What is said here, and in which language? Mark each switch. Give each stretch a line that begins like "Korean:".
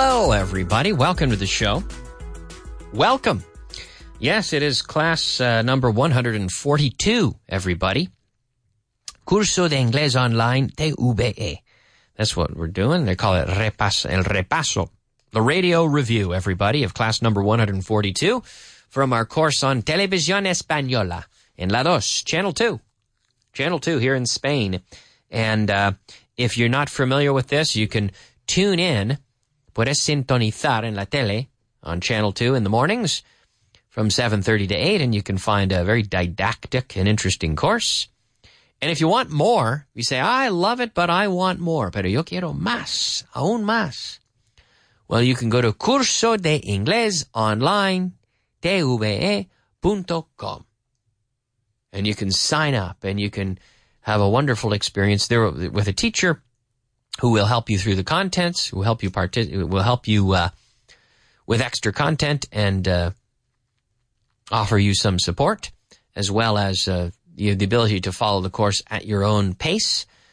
English: Everybody, welcome to the show. Welcome. Yes, it is class number 142, everybody. Curso de Inglés Online TVE. That's what we're doing. They call it el repaso. The radio review, everybody, of class number 142 from our course on Televisión Española en La Dos, Channel 2. Channel 2 here in Spain. And if you're not familiar with this, you can tune in.
Spanish: Puedes sintonizar en la tele
English: on Channel 2 in the mornings from 7:30 to 8, and you can find a very didactic and interesting course. And if you want more, you say, I love it, but I want more.
Spanish: Pero yo quiero más, aún más.
English: Well, you can go to cursodeinglesonlinetve.com. And you can sign up, and you can have a wonderful experience there with a teacher who will help you through the contents, who will help you with extra content and offer you some support, as well as the ability to follow the course at your own pace.